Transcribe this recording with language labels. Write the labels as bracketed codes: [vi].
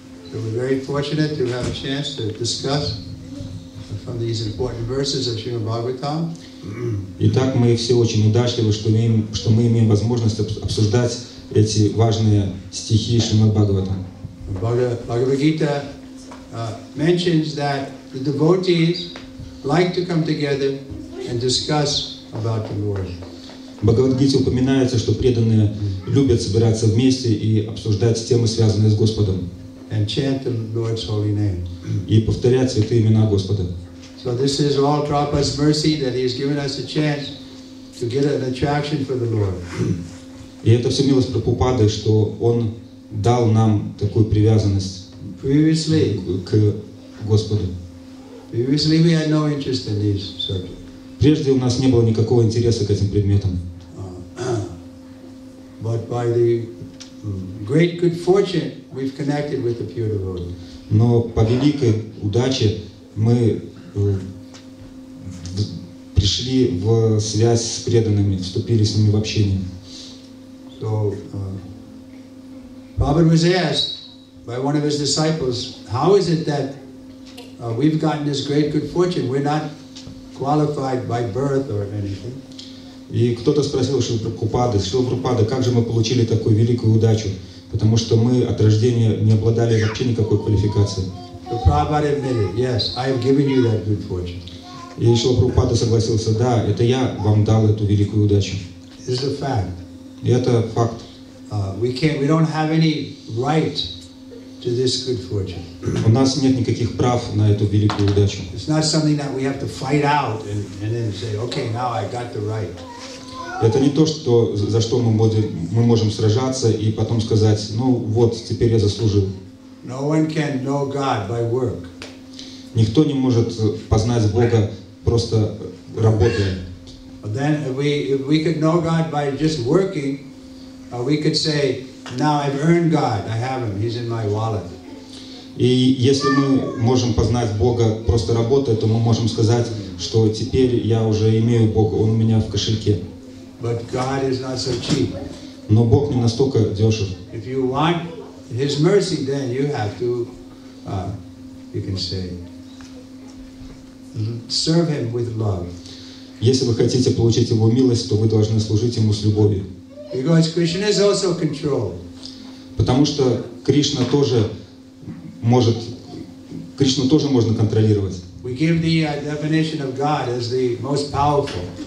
[en] So we're very fortunate to have a chance to discuss from these important verses of Srimad Bhagavatam. [ru] Итак, мы все очень удачливы, что мы имеем возможность обсуждать эти важные стихи Шримад Бхагаватам. [en] Бхагавад-гита mentions that the devotees like to come together and discuss about the Lord. [ru] Бхагавад-гите упоминается, что преданные любят собираться вместе и обсуждать темы, связанные с Господом. [en] And chant the Lord's holy name. [ru] И повторять святые имена Господа. [en] So this is all Prabhupada's mercy that he has given us a chance to get an attraction for the Lord. [ru] И это все милость Прабхупады, что Он дал нам такую привязанность к Господу. [en] Previously we had no interest in these subjects. [ru] Прежде у нас не было никакого интереса к этим предметам. [en] But by the great good fortune, we've connected with the pure devotee. [ru] Но по великой удаче мы пришли в связь с преданными, вступили с ними в общение. [en] So, Prabhupada was asked by one of his disciples, how is it that we've gotten this great good fortune? We're not qualified by birth or anything. [ru] И кто-то спросил Шрила Прабхупады, как же мы получили такую великую удачу, потому что мы от рождения не обладали вообще никакой квалификацией. [en] So Prabhupada admitted, yes, I have given you that good fortune. [ru] И Шрила Прабхупада согласился, да, это я вам дал эту великую удачу. [en] This is a fact. [ru] И это факт. [en] We don't have any right to this good fortune. [ru] У нас нет никаких прав на эту великую удачу. [en] It's not something that we have to fight out and then say, okay, now I got the right. [ru] Это не то, что, за что мы можем сражаться и потом сказать, ну вот, теперь я заслужил. [en] No one can know God by work. [ru] Никто не может познать Бога просто работая. [en] Then if we could know God by just working, we could say, now I've earned God. I have Him. He's in my wallet. [ru] И если мы можем познать Бога просто работая, то мы можем сказать, что теперь я уже имею Бога. Он у меня в кошельке. [en] But God is not so cheap. [ru] Но Бог не настолько дешев. [en] If you want His mercy, then you have to, you can say, serve Him with love. [ru] Если вы хотите получить Его милость, то вы должны служить Ему с любовью. [en] Because Krishna is also controlled. [ru] Потому что Кришна тоже может, Кришну тоже можно контролировать. [en] We give the definition of God as the most powerful.